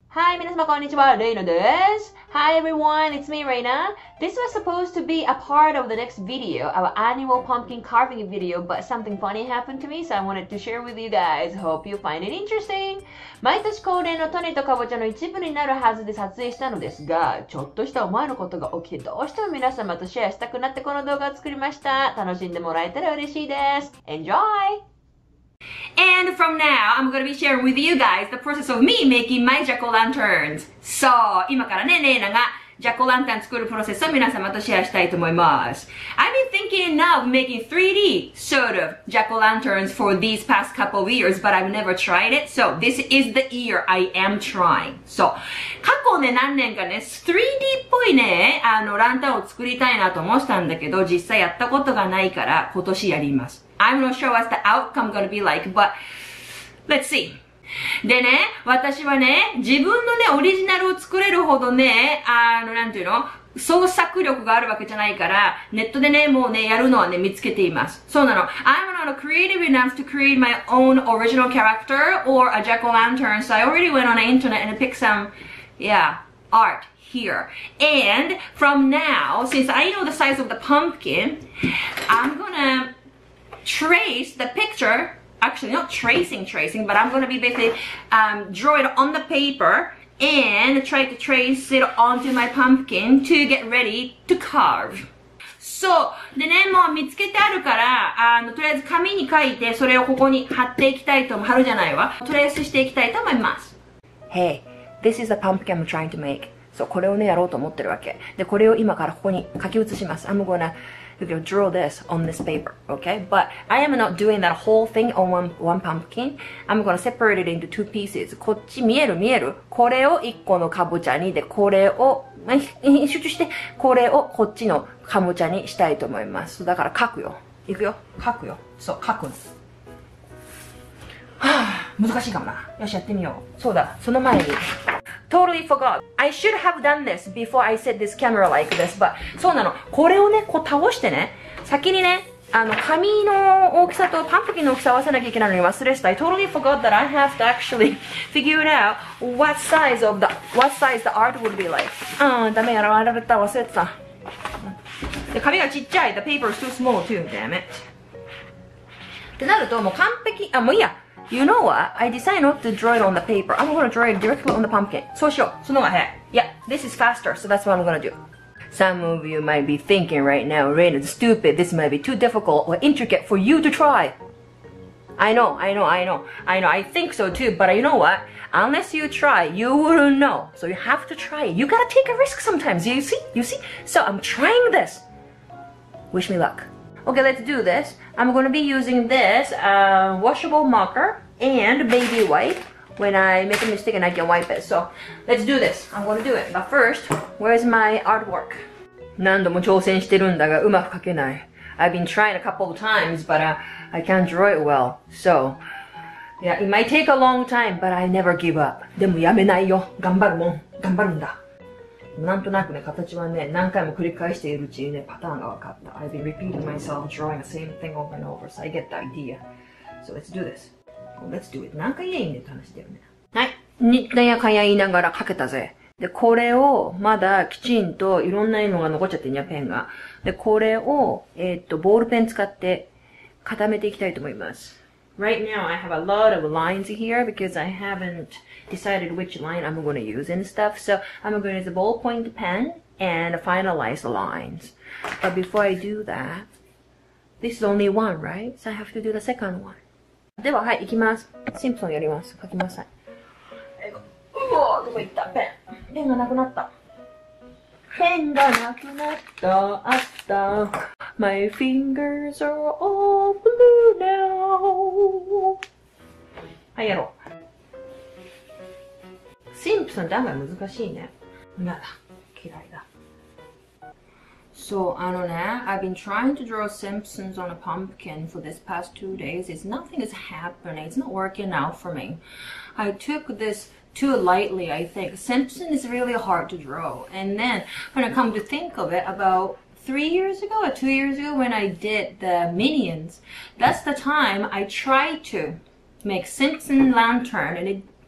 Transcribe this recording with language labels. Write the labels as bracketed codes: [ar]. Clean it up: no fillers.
[en] Hi, [ja] 皆様こんにちは、レイナです。 [en] Hi, everyone, it's me, Reina. This was supposed to be a part of the next video, our annual pumpkin carving video, but something funny happened to me, so I wanted to share with you guys. Hope you find it interesting. [ja] 毎年恒例の種とかぼちゃの一部になるはずで撮影したのですが、ちょっとしたお前のことが起きて、どうしても皆様とシェアしたくなってこの動画を作りました。楽しんでもらえたら嬉しいです。 [en] Enjoy! And from now, I'm gonna be sharing with you guys the process of me making my jack-o'-lanterns. [ja] So, 今からね、レイナが jack-o'-lantern 作るプロセスを皆様とシェアしたいと思います。 [en] I've been thinking of making 3D sort of jack-o'-lanterns for these past couple of years, but I've never tried it. So, this is the year I am trying. [ja] So, 過去ね、何年かね、3D っぽいね、ランタンを作りたいなと思ったんだけど、実際やったことがないから、今年やります。 [en] I'm not sure what the outcome gonna be like, but let's see. [ja] でね、私はね、自分のね、オリジナルを作れるほどね、なんていうの、創作力があるわけじゃないから、ネットでね、もうね、やるのはね、見つけています。そうなの。 [en] I'm not creative enough to create my own original character or a jack-o'-lantern, so I already went on the internet and picked some, yeah, art. Here. And from now, since I know the size of the pumpkin, I'm gonna trace the picture. Actually, not tracing, but I'm gonna be basically draw it on the paper and try to trace it onto my pumpkin to get ready to carve. [ja] So, でね、もう見つけてあるから、とりあえず紙に書いて、それをここに貼っていきたいと思う。貼るじゃないわ。トレースしていきたいと思います。 [en] Hey, this is a pumpkin I'm trying to make. [ja] そう、これをね、やろうと思ってるわけ。で、これを今からここに書き写します。 [en] I'm gonna draw this on this paper, okay? But I am not doing that whole thing on one pumpkin. I'm gonna separate it into two pieces. [ja] こっち見える見える。これを一個のかぼちゃに、で、これを、集中して、これをこっちのかぼちゃにしたいと思います。だから書くよ。いくよ。書くよ。そう、書くんです。はぁ、難しいかもな。よし、やってみよう。そうだ、その前に。 [en] Totally forgot. I should have done this before I set this camera like this, but [ja] そうなの。これをね、こう倒してね、先にね、紙の大きさとパンプキンの大きさを合わせなきゃいけないのに忘れてた。 [en] I totally forgot that I have to actually figure out what size the art would be like. [ja] ダメ、やられた、忘れてた。紙がちっちゃい。 [en] The paper is too small too, damn it. [ja] ってなると、もう完璧、あ、もういいや。 [en] You know what? I decided not to draw it on the paper. I'm gonna draw it directly on the pumpkin. [ja] そうしよう。そのまま早い。 [en] Yeah, this is faster, so that's what I'm gonna do. Some of you might be thinking right now, Rain is stupid. This might be too difficult or intricate for you to try. I know. I think so too, but you know what? Unless you try, you wouldn't know. So you have to try it. You gotta take a risk sometimes, you see? So I'm trying this. Wish me luck. Okay, let's do this. I'm gonna be using this, washable marker and baby wipe. When I make a mistake and I can wipe it. So, let's do this. I'm gonna do it. But first, where's my artwork? [ja] 何度も挑戦してるんだが、うまく描けない。 [en] I've been trying a couple of times, but, I can't draw it well. So, yeah, it might take a long time, but I never give up. [ja] でもやめないよ。頑張るもん。頑張るんだ。なんとなくね、形はね、何回も繰り返しているうちにね、パターンが分かった。 [en] I've been repeating myself drawing the same thing over and over, so I get the idea. So let's do this. Let's do it. [ja] 何回言えんねんって話だよね。はい。にっやかや言いながら描けたぜ。で、これを、まだきちんといろんな絵のが残っちゃってんや、ペンが。で、これを、ボールペン使って固めていきたいと思います。 [en] Right now, I have a lot of lines here because I haven't decided which line I'm going to use and stuff. So, I'm going to use a ballpoint pen and finalize the lines. But before I do that, this is only one, right? So, I have to do the second one. [ja] では、はい、行きます。シンプルにやります。書きなさい。うお、どこ行った?ペン。ペンがなくなった。ペンがなくなった。あった。 [en] My fingers are all blue now. [ja] はい、やろう。シンプソンって案外難しいね。嫌だ。嫌いだ。 [en] So, I've been trying to draw Simpsons on a pumpkin for this past 2 days. It's nothing is happening. It's not working out for me. I took this too lightly, I think. Simpson is really hard to draw. And then, when I come to think of it, about 3 years ago or 2 years ago when I did the Minions, that's the time I tried to make Simpson lantern and it,